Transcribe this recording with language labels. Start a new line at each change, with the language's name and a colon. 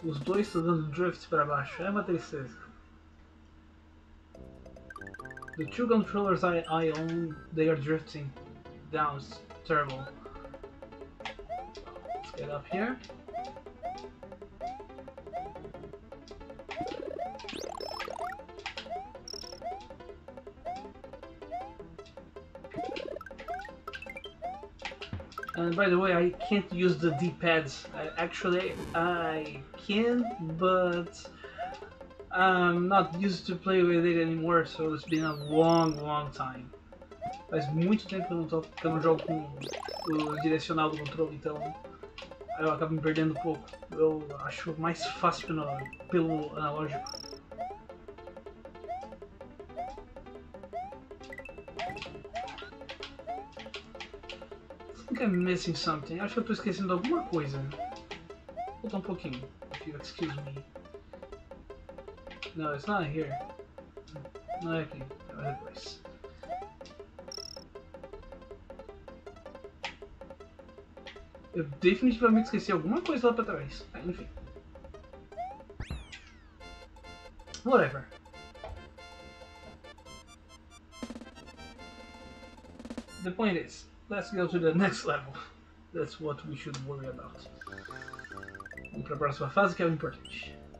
Portuguese: Os dois estão dando drift pra baixo. É uma tristeza.
English: The two controllers I own, they are drifting down. It's terrible. Let's get up here. And by the way, I can't use the D-pads. Actually, I can, but I'm not used to play with it anymore, so it's been a long, long time.
Portuguese: Faz muito tempo que eu não jogo com o direcional do controle, então eu acabo me perdendo um pouco. Eu acho mais fácil pelo analógico.
English: I'm missing something.
Portuguese: Acho que eu tô esquecendo alguma coisa. Volta um pouquinho.
English: If you excuse me. No, it's not here.
Portuguese: Não é aqui. É outra coisa. Eu definitivamente esqueci alguma coisa lá pra trás. Enfim.
English: Whatever. The point is, let's go to the next level. That's what we should worry about.
Portuguese: Vamos para a próxima fase, que é o importante.